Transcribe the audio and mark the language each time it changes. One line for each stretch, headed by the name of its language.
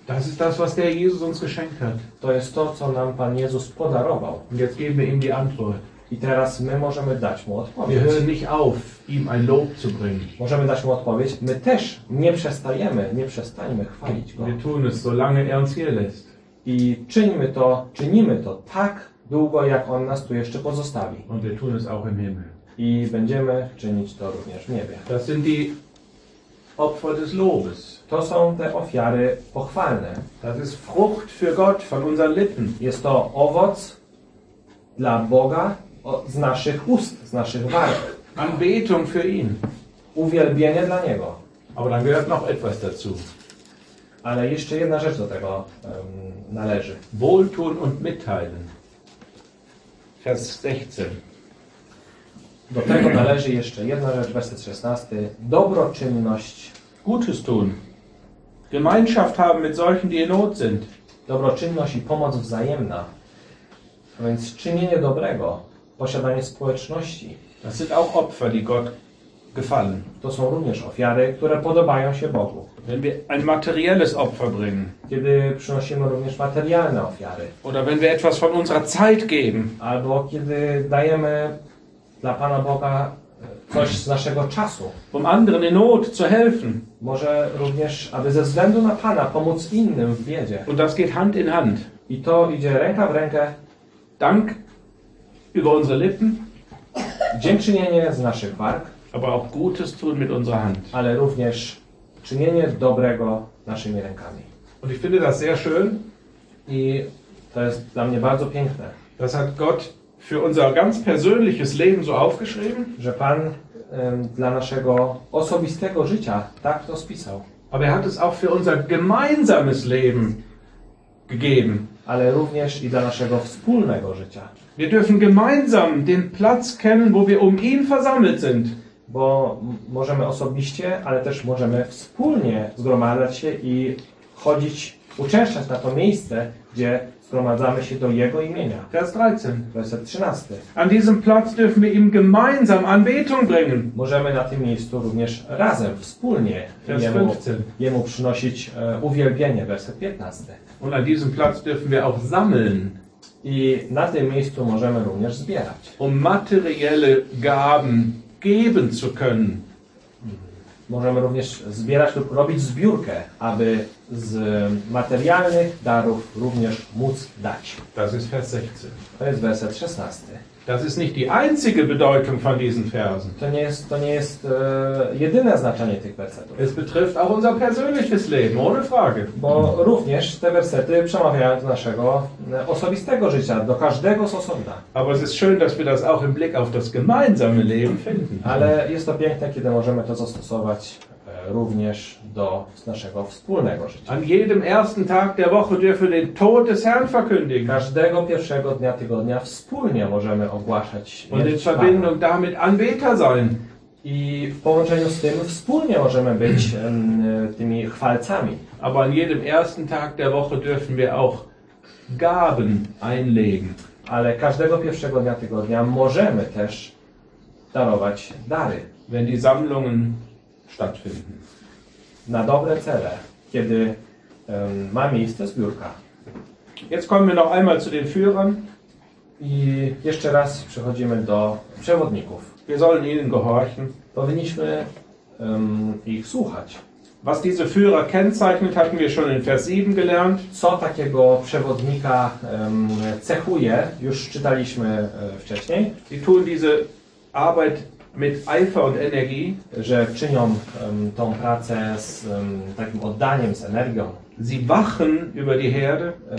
German: Das ist das, was der Jesus uns geschenkt hat.
Polish: To jest to, co nam Pan Jezus podarował.
German: Und jetzt geben wir ihm die Antwort.
Polish: I teraz my możemy dać mu odpowiedź.
German: Wir hören nicht auf, ihm ein Lob zu bringen.
Polish: Możemy dać mu odpowiedź. My też nie przestajemy, nie przestańmy chwalić go.
German: Wir tun es, solange er uns hier lässt.
Polish: I czynimy to, tak długo, jak on nas tu jeszcze pozostawi.
German: Und wir tun es auch im Himmel.
Polish: I będziemy czynić to również w niebie.
German: Das sind die Opfer des Lobes.
Polish: To są te ofiary pochwalne.
German: Das ist Frucht für Gott von unseren Lippen.
Polish: Jest to owoc dla Boga z naszych ust, z naszych warg.
German: Anbetung für ihn.
Polish: Uwielbienie dla Niego.
German: Aber dann gehört noch etwas dazu.
Polish: Ale jeszcze jedna rzecz do tego należy.
German: Wohltun und mitteilen. Vers 16.
Polish: Do tego należy jeszcze jedna rzecz, werset 16. Dobroczynność.
German: Gutes tun. Gemeinschaft haben mit solchen, die in Not sind.
Polish: Dobroczynność i pomoc wzajemna. A więc czynienie dobrego. Posiadanie społeczności.
German: Das sind auch Opfer, die Gott gefallen.
Polish: To są również ofiary, które podobają się Bogu.
German: Wenn wir ein materielles Opfer bringen.
Polish: Kiedy przynosimy również materialne ofiary.
German: Oder wenn wir etwas von unserer Zeit geben.
Polish: Albo kiedy dajemy dla Pana Boga coś z naszego czasu.
German: Um anderen in Not zu helfen.
Polish: Może również, aby ze względu na Pana pomóc innym w biedzie.
German: Und das geht Hand in Hand.
Polish: I to idzie ręka w rękę.
German: Dank über unsere Lippen.
Polish: Dziękczynienie z naszych warg.
German: Aber auch Gutes tun mit unserer Hand.
Polish: Ale również czynienie dobrego naszymi rękami.
German: Und ich finde das sehr schön.
Polish: I to jest dla mnie bardzo piękne.
German: Das hat Gott für unser ganz persönliches Leben so aufgeschrieben.
Polish: Że Pan dla naszego osobistego życia tak to spisał.
German: Aber er hat es auch für unser gemeinsames Leben gegeben.
Polish: Ale również i dla naszego wspólnego życia.
German: Wir dürfen gemeinsam den Platz kennen, wo wir um ihn versammelt sind.
Polish: Bo możemy osobiście, ale też możemy wspólnie zgromadzać się i chodzić, uczęszczać na to miejsce, gdzie zgromadzamy się do Jego imienia.
German: Vers 13.
Polish: Werset 13.
German: An diesem Platz dürfen wir ihm gemeinsam Anbetung bringen.
Polish: Możemy na tym miejscu również razem, wspólnie jemu przynosić uwielbienie. Werset 15.
German: Und an diesem Platz dürfen wir auch sammeln.
Polish: I na tym miejscu możemy również zbierać.
German: Um materielle Gaben geben zu können.
Polish: Możemy również zbierać lub robić zbiórkę, aby z materialnych darów również móc dać.
German: Das ist Vers 16.
Polish: To jest werset 16.
German: Das ist nicht die einzige Bedeutung von diesen Versen.
Polish: To nie jest jedyne znaczenie tych wersetów.
German: Es betrifft auch unser persönliches Leben, ohne Frage.
Polish: Bo również te wersety przemawiają do naszego osobistego życia, do każdego z osobna.
German: Aber es ist schön, dass wir das auch im Blick auf das gemeinsame Leben finden.
Polish: Ale jest to piękne, kiedy możemy to zastosować również do naszego wspólnego życia.
German: An jedem ersten Tag der Woche dürfen wir den Tod des Herrn verkündigen.
Polish: Każdego pierwszego dnia tygodnia wspólnie możemy ogłaszać
German: Und in Verbindung damit Anbeter sein.
Polish: I w połączeniu z tym wspólnie możemy być tymi chwalcami.
German: Aber an jedem ersten Tag der Woche dürfen wir auch Gaben einlegen.
Polish: Ale każdego pierwszego dnia tygodnia możemy też darować dary.
German: Wenn die Sammlungen stattfinden.
Polish: Na dobre cele, kiedy ma miejsce zbiórka.
German: Jetzt kommen wir noch einmal zu den Führern.
Polish: I jeszcze raz przechodzimy do przewodników.
German: Wir sollen ihnen gehorchen.
Polish: Powinniśmy ich słuchać.
German: Was diese Führer kennzeichnet, hatten wir schon in Vers 7 gelernt.
Polish: Co takiego przewodnika cechuje, już czytaliśmy wcześniej.
German: Sie tun diese Arbeit mit Eifer und Energie.
Polish: Że czynią tą pracę z takim oddaniem, z energią.
German: Sie wachen über die Herde.